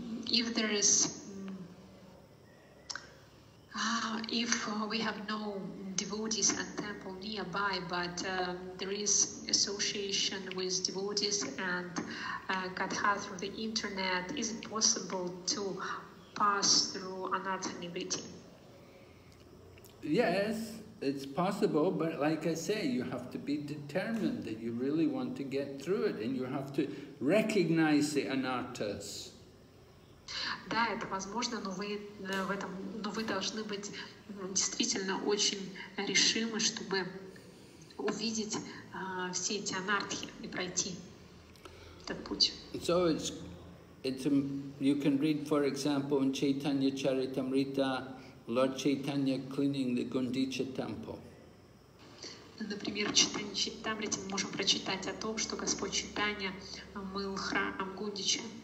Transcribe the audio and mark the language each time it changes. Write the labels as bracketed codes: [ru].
[en] If there is if we have no devotees and temple nearby, but there is association with devotees and katha through the internet, is it possible to pass through anartha nivriti? Yes, it's possible, but like I say, you have to be determined that you really want to get through it, and you have to recognize the anarthas. [ru] Да, это возможно, но вы в этом, но вы должны быть действительно очень решимы, чтобы увидеть все эти анартхи и пройти этот путь. [en] So it's you can read, for example, in Chaitanya Charitamrita, Lord Chaitanya cleaning the Gundicha temple. [ru] Например, в Chaitanya Charitamrita мы можем прочитать о том, что Господь Чайтанья мыл храм Гундича.